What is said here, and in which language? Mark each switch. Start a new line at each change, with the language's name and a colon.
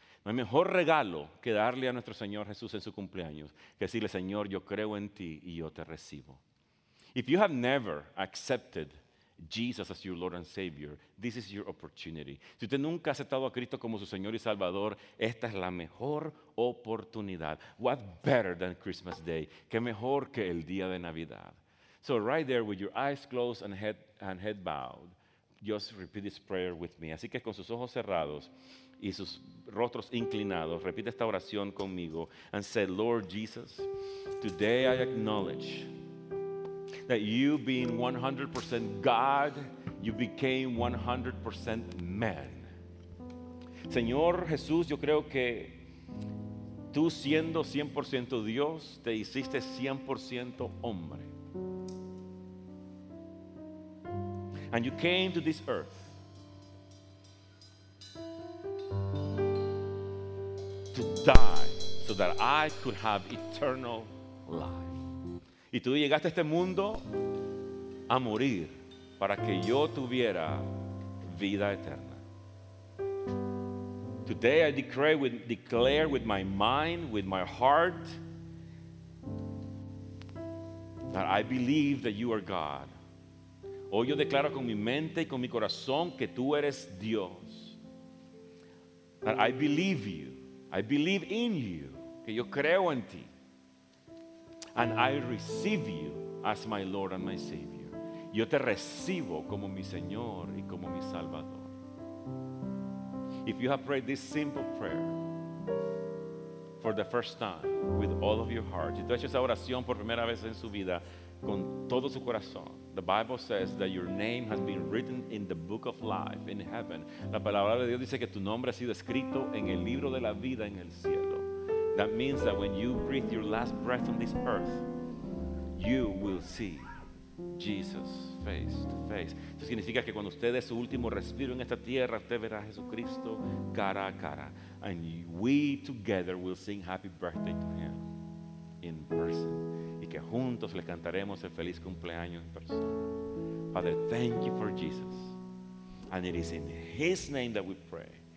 Spanish: No hay mejor regalo que darle a nuestro Señor Jesús en su cumpleaños que decirle, Señor, yo creo en ti y yo te recibo.
English: If you have never accepted Jesus as your Lord and Savior, this is your opportunity.
Spanish: Si usted nunca ha aceptado a Cristo como su Señor y Salvador, esta es la mejor oportunidad.
English: What better than Christmas Day?
Spanish: ¿Qué mejor que el día de Navidad?
English: So right there with your eyes closed and head bowed, just repeat this prayer with me.
Spanish: Así que con sus ojos cerrados y sus rostros inclinados, repite esta oración conmigo
English: and say, Lord Jesus, today I acknowledge that you being 100% God, you became 100% man.
Spanish: Señor Jesús, yo creo que tú siendo 100% Dios, te hiciste 100% hombre.
English: And you came to this earth to die so that I could have eternal life.
Spanish: Y tú llegaste a este mundo a morir para que yo tuviera vida eterna.
English: Today I declare with my mind, with my heart, that I believe that you are God.
Spanish: Hoy yo declaro con mi mente y con mi corazón que tú eres Dios.
English: That I believe you. I believe in you.
Spanish: Que yo creo en ti.
English: And I receive you as my Lord and my Savior.
Spanish: Yo te recibo como mi Señor y como mi Salvador.
English: If you have prayed this simple prayer for the first time with all of your heart,
Spanish: si tú has hecho esa oración por primera vez en su vida con todo su corazón,
English: the Bible says that your name has been written in the book of life in heaven.
Spanish: La palabra de Dios dice que tu nombre ha sido escrito en el libro de la vida en el cielo.
English: That means that when you breathe your last breath on this earth, you will see Jesus face to face.
Spanish: Eso significa que cuando usted dé su último respiro en esta tierra, usted verá a Jesucristo cara a cara.
English: And we together will sing happy birthday to him in person. Y
Spanish: que juntos le cantaremos el feliz cumpleaños en persona.
English: Father, thank you for Jesus. And it is in His name that we pray.